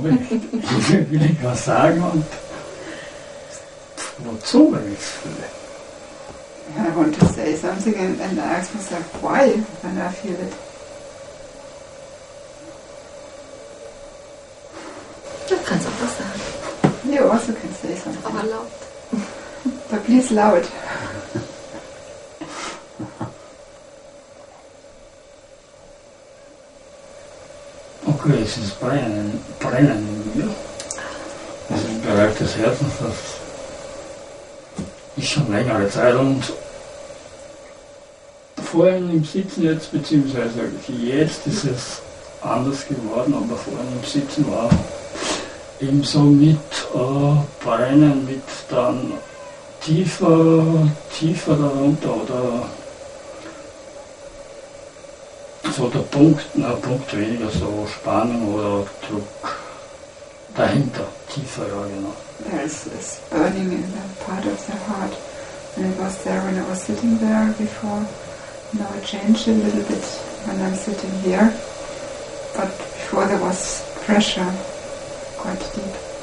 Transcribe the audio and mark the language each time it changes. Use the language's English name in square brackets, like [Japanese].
[German] Will ich was sagen und wozu, wenn ich es fühle? [English] Ja, I want to say something and ask myself why when I feel it. [German] Du kannst auch was sagen. [English] You also can say something. [German] Aber laut. [English] But please loud. [German] Okay, es ist brennen in mir. Es ist ein Bereich des Herzens, das ist schon längere Zeit und vorhin im Sitzen jetzt, beziehungsweise jetzt ist es anders geworden, aber vorhin im Sitzen war eben so mit brennen, mit dann tiefer darunter oder so der Punkt weniger, so Spannung oder Druck dahinter, tiefer, ja genau. [English] There is this burning in the part of the heart, and it was there when I was sitting there before. Now it changed a little bit when I'm sitting here, but before there was pressure quite deep.